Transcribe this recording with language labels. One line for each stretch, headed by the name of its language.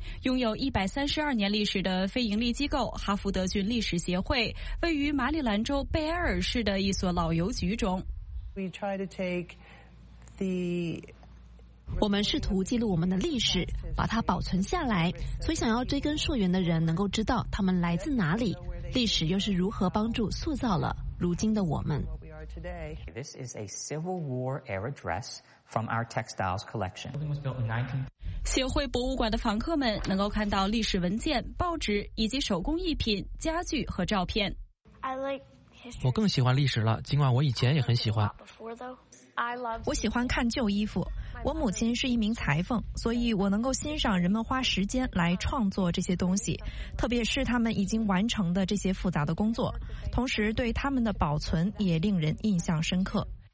Chinese: 拥有132年历史的非盈利机构哈佛德郡历史协会，位于马里兰州贝埃尔市的一所老邮局中。我们试图记录我们的历史，把它保存下来，所以想要追根溯源的人能够知道他们来自哪里，历史又是如何帮助塑造了如今的我们。
English: This is a Civil War era dress from our textiles collection.
Chinese: 协会博物馆的访客们能够看到历史文件、报纸以及手工艺品、家具和照片。
English: I like
Chinese: 我更喜欢历史了，尽管我以前也很喜欢。我喜欢看旧衣服，我母亲是一名裁缝，所以我能够欣赏人们花时间来创作这些东西，特别是他们已经完成的这些复杂的工作，同时对他们的保存也令人印象深刻。